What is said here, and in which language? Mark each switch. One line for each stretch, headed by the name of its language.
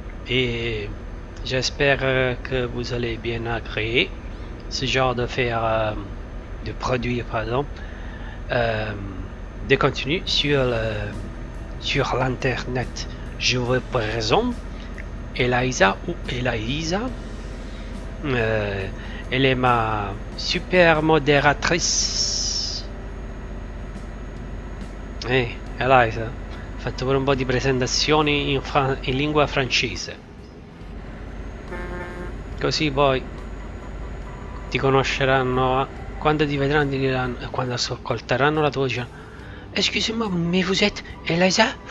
French: Et j'espère que vous allez bien agréer ce genre de faire, de produit, pardon, de contenu sur l'internet. Je vous présente Eliza ou Eliza. Elle est ma super modératrice.
Italian: Eliza, ho fatto pure un po' di presentazioni in lingua francese. Così poi ti conosceranno, quando ti vedranno, diranno, quando ascolteranno la tua voce.
French: Excusez-moi, mais vous êtes Eliza?